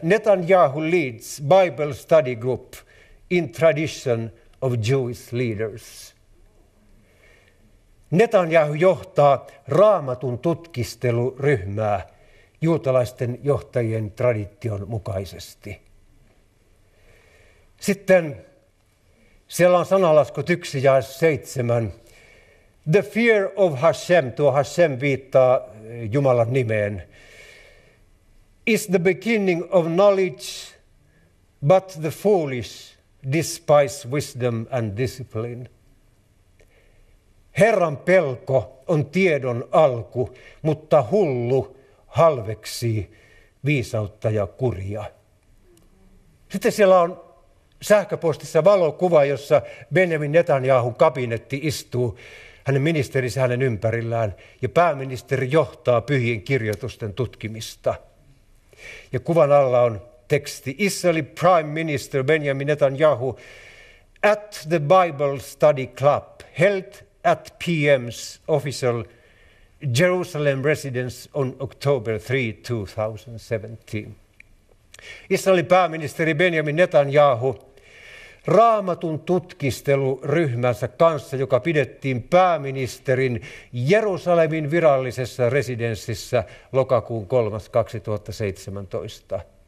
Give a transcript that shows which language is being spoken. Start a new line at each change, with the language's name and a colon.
English: Netanyahu leads Bible study group in tradition of Jewish leaders.
Finnish: Netanyahu johtaa Raamatun tutkisteluryhmää juutalaisten johtajien tradition mukaisesti. Sitten siellä on sanalaskut 1:7.
English: The fear of Hashem,
Finnish: tuo Hashem viittaa Jumalan nimeen,
English: is the beginning of knowledge, but the foolish despise wisdom and discipline.
Finnish: Herran pelko on tiedon alku, mutta hullu halveksii viisautta ja kuria. Sitten siellä on sähköpostissa valokuva, jossa Benjamin Netanyahun kabinetti istuu hänen ministerinsä hänen ympärillään ja pääministeri johtaa pyhien kirjoitusten tutkimista. Ja kuvan alla on teksti:
English: Israeli Prime Minister Benjamin Netanyahu at the Bible Study Club held at PM's official Jerusalem residence on October 3, 2017.
Finnish: Israelin pääministeri Benjamin Netanyahu Raamatun tutkisteluryhmänsä kanssa, joka pidettiin pääministerin Jerusalemin virallisessa residenssissä lokakuun 3, 2017.